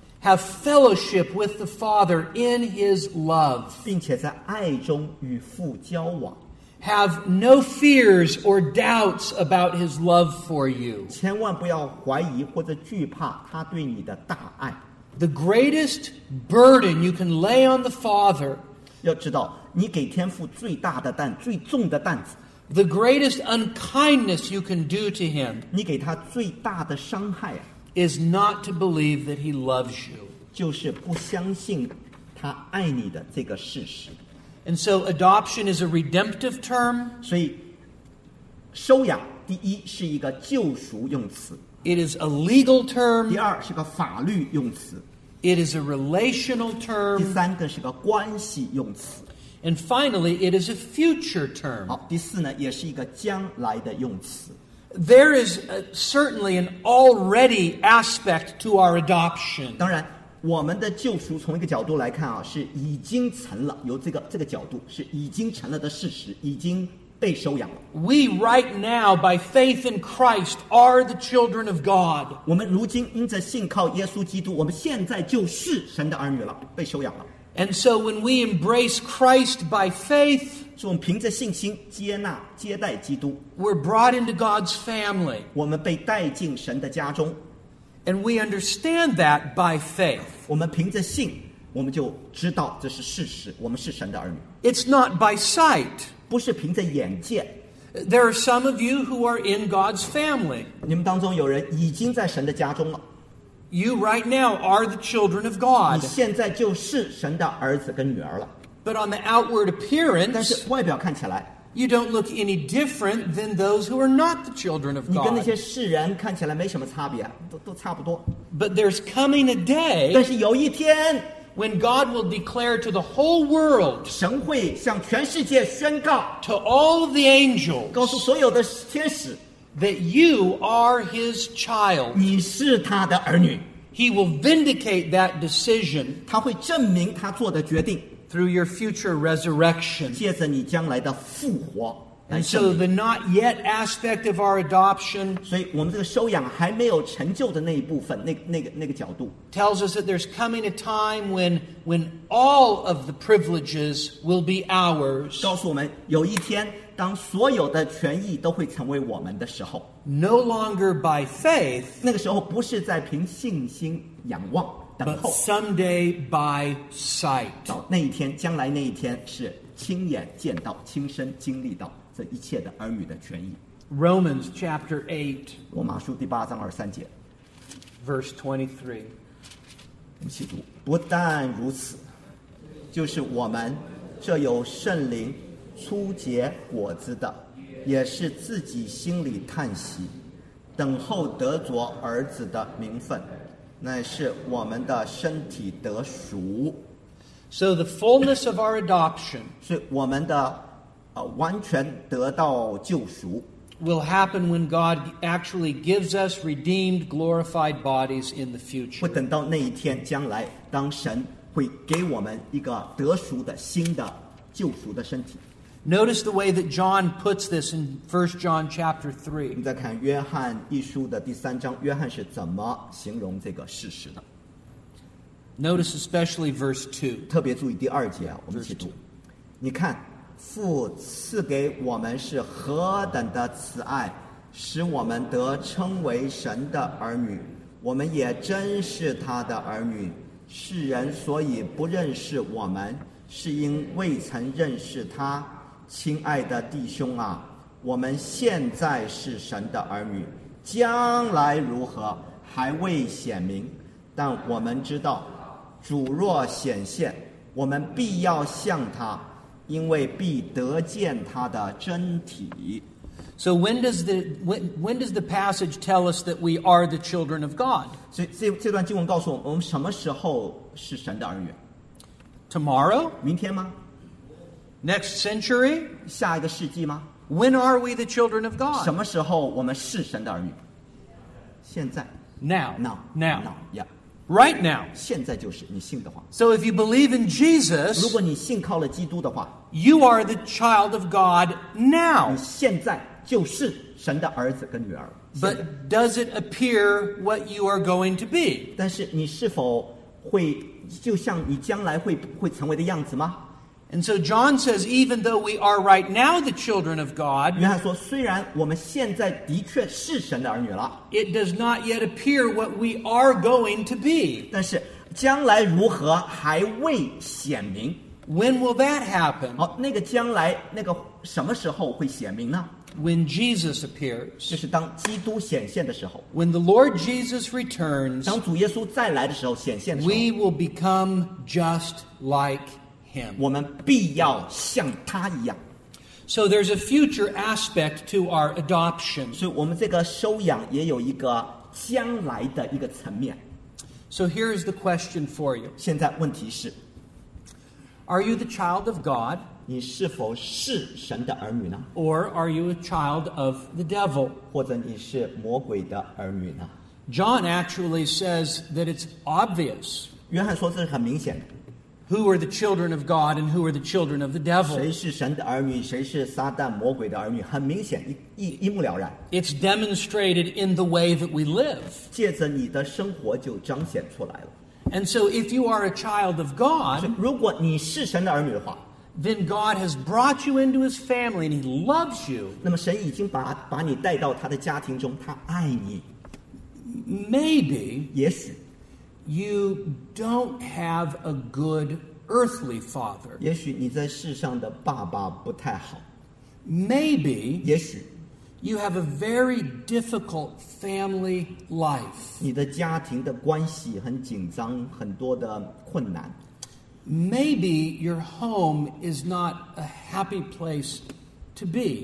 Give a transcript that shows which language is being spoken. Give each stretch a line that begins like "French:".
English: Have fellowship with the Father in his love.
Chinese: 并且在爱中与父交往。
English: Have no fears or doubts about his love for you.
Chinese: 千万不要怀疑或者惧怕他对你的大爱。
English: The greatest burden you can lay on the Father,
Chinese: 要知道, 你给天父最大的担, 最重的担子,
English: the greatest unkindness you can do to him,
Chinese: 你给他最大的伤害,
English: is not to believe that he loves you.
Chinese: 就是不相信他爱你的这个事实。
English: And so adoption is a redemptive term.
Chinese: 所以收养, 第一是一个救赎用词,
English: it is a legal term.
Chinese: 第二是个法律用词,
English: it is a relational term.
Chinese: 第三个是个关系用词,
English: and finally, it is a future term.
Chinese: 好, 第四呢, 也是一个将来的用词。
English: There is certainly an already aspect to our adoption.
Chinese: 当然, 我们的救赎从一个角度来看啊, 是已经成了, 由这个角度, 是已经成了的事实, 已经被收养了。
English: We right now, by faith in Christ, are the children of God.
Chinese: 我们如今因着信靠耶稣基督, 我们现在就是神的儿女了, 被收养了。
English: And so when we embrace Christ by faith,
Chinese: 我们凭着信心接纳, 接待基督,
English: we're brought into God's family.
Chinese: 我们被带进神的家中,
English: and we understand that by faith.
Chinese: 我们凭着信, 我们就知道这是事实, 我们是神的儿女。
English: It's not by sight.
Chinese: 不是凭着眼见。
English: There are some of you who are in God's family.
Chinese: 你们当中有人已经在神的家中了。
English: You right now are the children of God.
Chinese: 你现在就是神的儿子跟女儿了。
English: But on the outward appearance,
Chinese: 但是外表看起来,
English: you don't look any different than those who are not the children of God.
Chinese: 你跟那些世人看起来没什么差别, 都差不多。
English: But there's coming a day,
Chinese: 但是有一天,
English: when God will declare to the whole world,
Chinese: 神会向全世界宣告,
English: to all of the angels,
Chinese: 告诉所有的天使,
English: that you are his child.
Chinese: 你是他的儿女。
English: He will vindicate that decision,
Chinese: 他会证明他做的决定,
English: through your future resurrection.
Chinese: 借着你将来的复活,
English: and so the not yet aspect of our adoption,
Chinese: 所以我们这个收养还没有成就的那一部分, 那个角度,
English: tells us that there's coming a time when all of the privileges will be ours.
Chinese: 告诉我们有一天, 当所有的权益都会成为我们的时候,
English: no longer by faith,
Chinese: 那个时候不是在凭信心仰望,
English: but someday by sight.
Chinese: 到那一天, 将来那一天是亲眼见到, 亲身经历到, 这一切的儿女的权益。
English: Romans chapter 8,
Chinese: 罗马书第八章二三节,
English: verse 23,
Chinese: 我们起读。不但如此，就是我们这有圣灵初结果子的，也是自己心里叹息，等候得着儿子的名分，乃是我们的身体得赎。
English: So the fullness of our adoption
Chinese: 是我们的完全得到救赎
English: will happen when God actually gives us redeemed, glorified bodies in the future.
Chinese: 会等到那一天，将来当神会给我们一个得赎的新的救赎的身体。
English: Notice the way that John puts this in 1 John chapter 3.
Chinese: 你再看约翰一书的第三章，约翰是怎么形容这个事实的？
English: Notice especially verse 2.
Chinese: 特别注意第二节，我们一起读。你看，父赐给我们是何等的慈爱，使我们得称为神的儿女，我们也真是他的儿女。世人所以不认识我们，是因未曾认识他。亲爱的弟兄啊，我们现在是神的儿女，将来如何还未显明，但我们知道主若显现，我们必要像他，因为必得见他的真体。
English: So when does the passage tell us that we are the children of God?
Chinese: 所以这段经文告诉我们，我们什么时候是神的儿女？
English: Tomorrow?
Chinese: 明天吗？
English: Next century?
Chinese: 下一个世纪吗?
English: When are we the children of God?
Chinese: 什么时候我们是神的儿女？现在。
English: Now. Now. Now. Now. Yeah. Right now.
Chinese: 现在就是你信的话。
English: So if you believe in Jesus,
Chinese: 如果你信靠了基督的话,
English: you are the child of God now.
Chinese: 你现在就是神的儿子跟女儿。
English: But does it appear what you are going to be?
Chinese: 但是你是否会就像你将来会成为的样子吗?
English: And so John says, even though we are right now the children of God,
Chinese: 约翰说，虽然我们现在的确是神的儿女了，
English: it does not yet appear what we are going to be.
Chinese: 但是将来如何还未显明。
English: When will that happen?
Chinese: 好，那个将来，那个什么时候会显明呢？
English: When Jesus appears.
Chinese: 就是当基督显现的时候。
English: When the Lord Jesus returns,
Chinese: 当主耶稣再来的时候，显现的时候，
English: we will become just like Him. Him.
Chinese: 我们必要像他一样。
English: So there's a future aspect to our adoption.
Chinese: 所以我们这个收养也有一个将来的一个层面。
English: So here is the question for you.
Chinese: 现在问题是，
English: Are you the child of God?
Chinese: 你是否是神的儿女呢？
English: Or are you a child of the devil?
Chinese: 或者你是魔鬼的儿女呢？
English: John actually says that it's obvious.
Chinese: 约翰说这是很明显的。
English: Who are the children of God and who are the children of the devil?
Chinese: 谁是神的儿女，谁是撒旦魔鬼的儿女，很明显，一目了然。
English: It's demonstrated in the way that we live.
Chinese: 借着你的生活就彰显出来了。
English: And so if you are a child of God,
Chinese: 如果你是神的儿女的话，
English: then God has brought you into his family and he loves you.
Chinese: 那么神已经把你带到他的家庭中，他爱你。
English: Maybe.
Chinese: 也许。
English: You don't have a good earthly father.
Chinese: 也许你在世上的爸爸不太好。
English: Maybe.
Chinese: 也许。
English: You have a very difficult family life.
Chinese: 你的家庭的关系很紧张，很多的困难。
English: Maybe your home is not a happy place to be.